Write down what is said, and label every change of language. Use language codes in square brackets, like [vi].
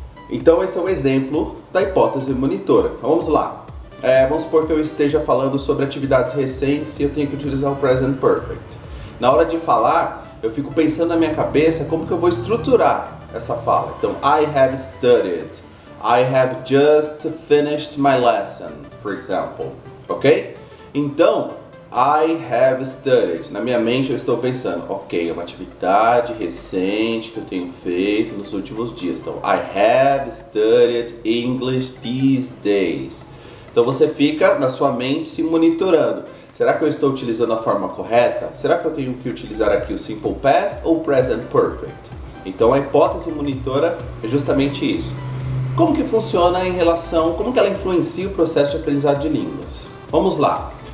[pt] Então esse é um exemplo da hipótese monitora. Então, vamos lá. Vamos supor que eu esteja falando sobre atividades recentes e eu tenho que utilizar o present perfect. Na hora de falar, eu fico pensando na minha cabeça como que eu vou estruturar essa fala. Então, [en] I have studied. I have just finished my lesson, for example. Ok? [pt] Então, [en] I have studied. [pt] Na minha mente eu estou pensando, ok, é uma atividade recente que eu tenho feito nos últimos dias. Então, [en] I have studied English these days. [pt] Então, você fica na sua mente se monitorando. Será que eu estou utilizando a forma correta? Será que eu tenho que utilizar aqui o simple past ou o present perfect? Então a hipótese monitora é justamente isso. Como que funciona em relação, como que ela influencia o processo de aprendizado de línguas? Vamos lá.